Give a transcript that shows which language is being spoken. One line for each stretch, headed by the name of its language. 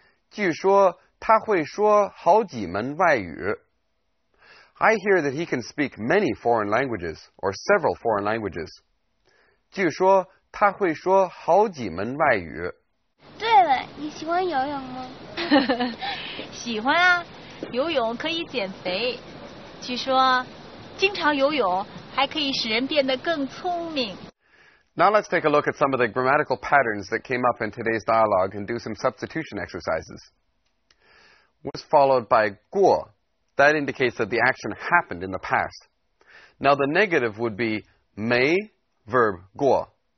Chinese: 据说他会说好几门外语。
English: I hear that he can speak many foreign languages, or several foreign languages.
Chinese: 据说他会说好几门外语。对了，你喜欢游泳吗？喜欢啊，游泳可以减肥。据说，经常游泳还可以使人变得更聪明。
English: Now let's take a look at some of the grammatical patterns that came up in today's dialogue and do some substitution exercises. Was followed by 过。That indicates that the action happened in the past. Now the negative would be 没 verb 过.